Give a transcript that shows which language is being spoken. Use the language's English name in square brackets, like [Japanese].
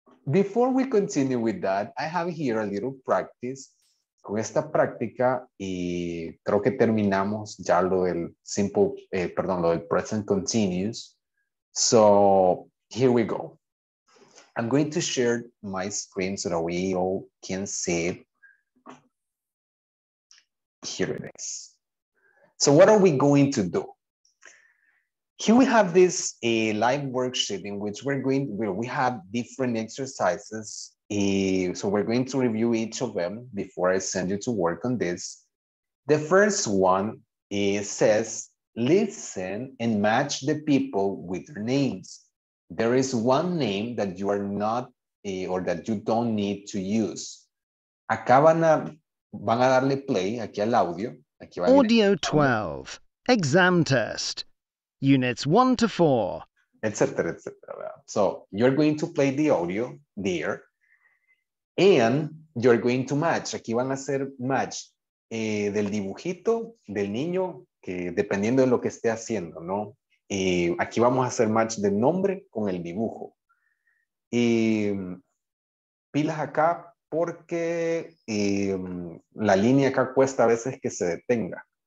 [English] Before we continue with that, I have here a little practice. [Spanish] Con esta práctica, y creo que terminamos ya lo del present continuous. [English] So here we go. I'm going to share my screen so that we all can see it. Here it is. So what are we going to do? Here we have this live worksheet in which we have different exercises. So we're going to review each of them before I send you to work on this. The first one says, listen and match the people with their names. There is one name that you are not or that you don't need to use. [Spanish] Acá van a darle play aquí al audio. Aquí va [English] audio 12, exam test, units 1 to 4. Etc, etc. So you're going to play the audio there. And you're going to match. [Spanish] Aquí van a hacer match del dibujito del niño, que dependiendo de lo que esté haciendo, ¿no? Aquí vamos a hacer match del nombre con el dibujo. Pilas acá porque la línea acá cuesta a veces que se detenga.